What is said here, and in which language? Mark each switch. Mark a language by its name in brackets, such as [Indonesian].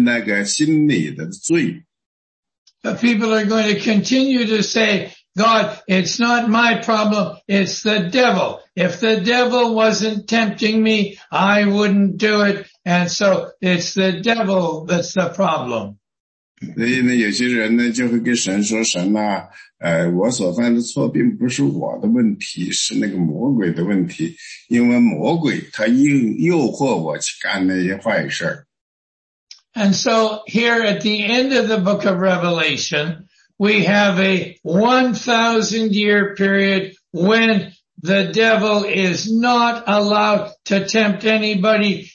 [Chinese] 神呢允许我们当今的世界呢这么高的教育程度和这么富裕呢就是要证明这两样并不是我们当今世界的问题，世界的问题呢是人们那个心里的罪。 [English] But people are going to continue to say, God, it's not my problem, it's the devil. If the devil wasn't tempting me, I wouldn't do it. And so it's the devil that's the problem. [Chinese] 所以呢，有些人呢就会跟神说：“神呐，我所犯的错并不是我的问题，是那个魔鬼的问题。因为魔鬼他诱惑我去干那些坏事。” [English] And so here at the end of the book of Revelation, we have a 1,000-year period when the devil is not allowed to tempt anybody.